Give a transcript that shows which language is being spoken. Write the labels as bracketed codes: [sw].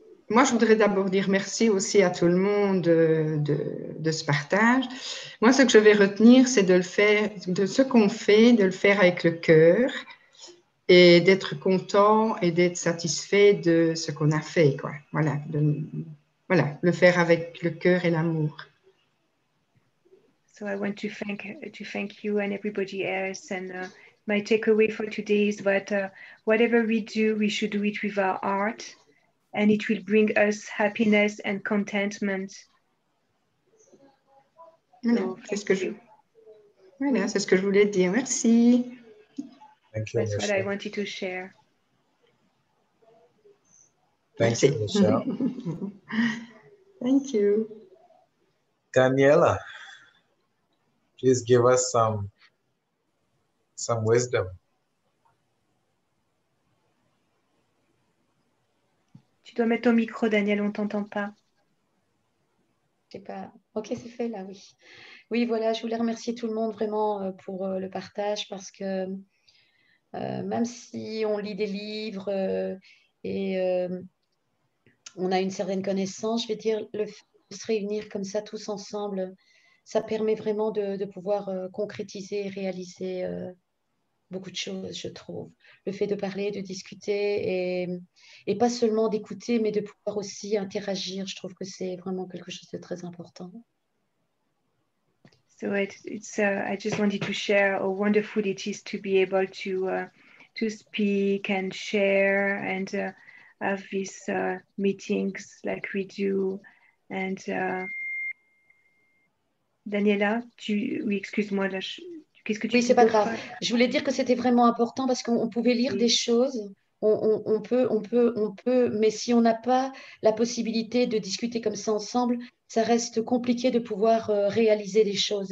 [fr] Moi, je voudrais d'abord dire merci aussi à tout le monde de ce partage. Moi, ce que je vais retenir, c'est de le faire, de ce qu'on fait, de le faire avec le cœur et d'être content et d'être satisfait de ce qu'on a fait, quoi. Voilà, le faire avec le cœur et l'amour. [en] So I want to thank you and everybody else. And my takeaway for today is that whatever we do, we should do it with our heart, and it will bring us happiness and contentment. [fr] C'est ce que je voulais dire. Merci. [en] Thank you. That's what I wanted to share. Thank you, Michelle. Thank you. Daniela. Please give us some wisdom. [fr] Tu dois mettre ton micro, Daniel, on ne t'entend pas. C'est pas... Ok, c'est fait là, oui. Oui, voilà, je voulais remercier tout le monde vraiment pour le partage parce que même si on lit des livres et on a une certaine connaissance, je vais dire, le fait de se réunir comme ça tous ensemble, ça permet vraiment de pouvoir concrétiser et réaliser beaucoup de choses, je trouve. Le fait de parler, de discuter et pas seulement d'écouter, mais de pouvoir aussi interagir, je trouve que c'est vraiment quelque chose de très important. [en] So I just wanted to share how wonderful it is to be able to speak and share and have these meetings like we do and... [fr] Daniela, oui, excuse-moi, qu'est-ce que tu dis? Oui, c'est pas grave. Je voulais dire que c'était vraiment important parce qu'on pouvait lire des choses. On peut, mais si on n'a pas la possibilité de discuter comme ça ensemble, ça reste compliqué de pouvoir réaliser des choses.